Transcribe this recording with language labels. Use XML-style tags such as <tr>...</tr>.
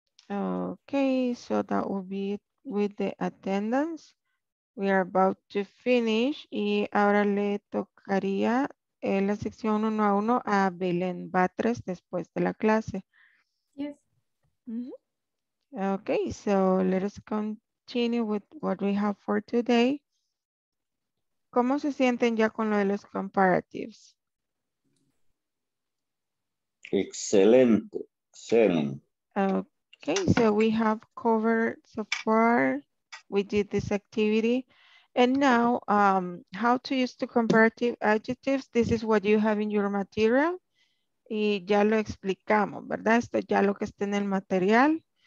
<en>Okay, so that will be it with the attendance. We are about to finish.</en> <es>Y ahora le tocaría en la sección 1-1 a Belén Batres después de la clase.</es> <en>Yes. Mm-hmm. Okay, so let us continue with what we have for today.</en> <es>¿Cómo se sienten ya con lo de los comparatives? Excelente, excelente.</es> <en>Okay, so we have covered so far. We did this activity. And now, how to use the comparative adjectives. This is what you have in your material.</en> <es>Y ya lo explicamos, ¿verdad? Esto ya lo que está en el material.</es>